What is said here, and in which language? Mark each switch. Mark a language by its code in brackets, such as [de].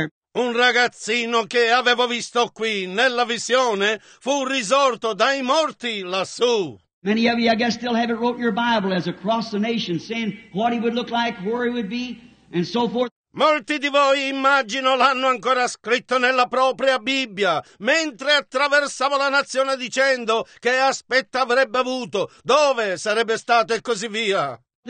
[it] Un ragazzino che avevo visto qui nella visione fu risorto dai morti lassù. [en] Many of you, I guess, still haven't wrote your Bible as across the nation, saying what he would look like, where he would be, and so forth. [it] Molti di voi, immagino, l'hanno ancora scritto nella propria Bibbia, mentre attraversavo la nazione dicendo che aspetto avrebbe avuto, dove sarebbe stato e così via.